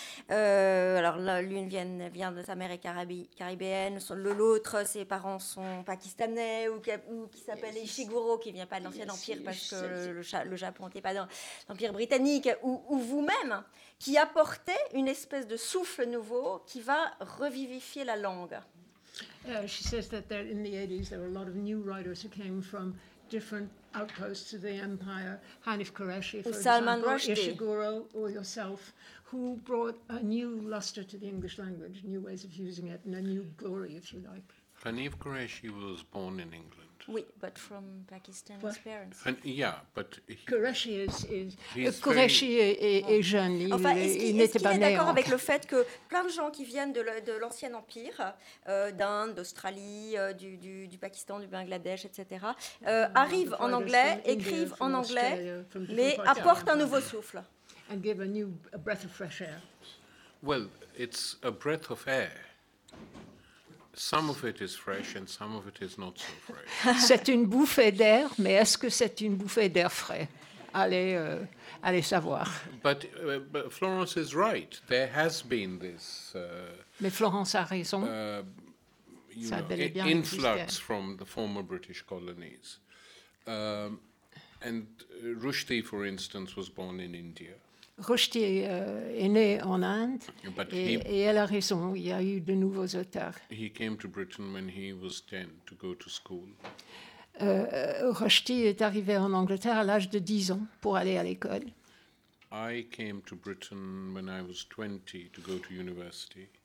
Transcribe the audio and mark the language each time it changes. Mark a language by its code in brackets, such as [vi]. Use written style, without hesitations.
[fr] Alors l'une vient de sa mère est caribéenne, l'autre, ses parents sont pakistanais ou qui s'appelle Ishiguro, qui ne vient pas de l'ancien empire parce que le Japon n'était pas dans l'empire britannique, ou vous-même, qui apportez une espèce de souffle nouveau qui va revivifier la langue. [en] She says that there, in the 80s, there were a lot of new writers who came from different outposts of the empire, Hanif Qureshi, for Salman example, Rushdie. Ishiguro, or yourself, who brought a new luster to the English language, new ways of using it, and a new glory, if you like. Hanif Qureshi was born in England. Oui, but from Pakistan's well, parents. Yeah, but... [fr] Qureshi est jeune, enfin, il n'était pas né. Est-ce qu'il est d'accord avec le fait que plein de gens qui viennent de l'ancien empire, d'Inde, d'Australie, du Pakistan, du Bangladesh, etc., arrivent en anglais, écrivent en anglais, mais apportent un nouveau souffle. [en] And give a new a breath of fresh air. Well, it's a breath of air. Some of it is fresh and some of it is not so fresh. [fr] C'est une bouffée d'air, mais est-ce que c'est une bouffée d'air frais? Allez savoir. [en] But Florence is right. There has been this. [fr] Mais Florence a raison. Ça a bel et bien influx existé. [en] From the former British colonies. And Rushdie, for instance, was born in India. [fr] Rushdie est né en Inde et elle a raison, il y a eu de nouveaux auteurs. [en] He came to Britain when he was 10 to go to school. [fr] Rushdie est arrivé en Angleterre à l'âge de 10 ans pour aller à l'école. [en] I came to Britain when I was 20 to go to university.